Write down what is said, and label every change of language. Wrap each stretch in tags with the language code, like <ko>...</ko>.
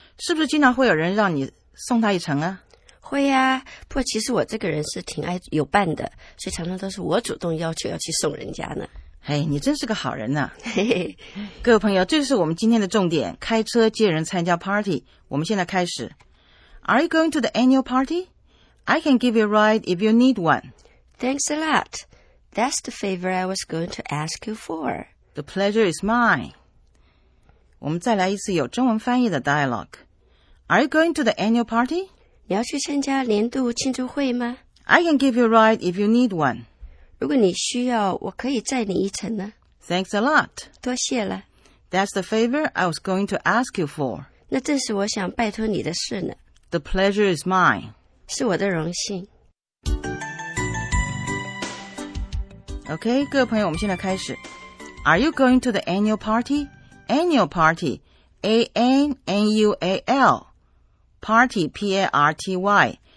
<zh>是不是经常会有人让你送他一程啊？会啊，不过其实我这个人是挺爱有伴的，所以常常都是我主动要求要去送人家呢。哎，你真是个好人呢、啊。嘿嘿，各位朋友，这是我们今天的重点，开车接人参加 party, 我们现在开始。</zh> <en>Are you going to the annual party? I can give you a ride if you need one. Thanks a lot. That's the favor I was going to ask you for. The pleasure is mine.</en> <zh>我们再来一次有中文翻译的 dialogue.</zh> <en>Are you going to the annual party?</en> <zh>你要去参加年度庆祝会吗?</zh> <en>I can give you a ride if you need one.</en> <zh>如果你需要,我可以载你一程呢?</zh> <en>Thanks a lot.</en> <zh>多谢了。</zh> <en>That's the favor I was going to ask you for.</en> <zh>那正是我想拜托你的事呢。</zh> <en>The pleasure is mine.</en> <zh>是我的荣幸。 OK, 各位朋友,我们现在开始。</zh> <en>Are you going to the annual party? Annual party, A-N-N-U-A-L, party, P-A-R-T-Y.</en>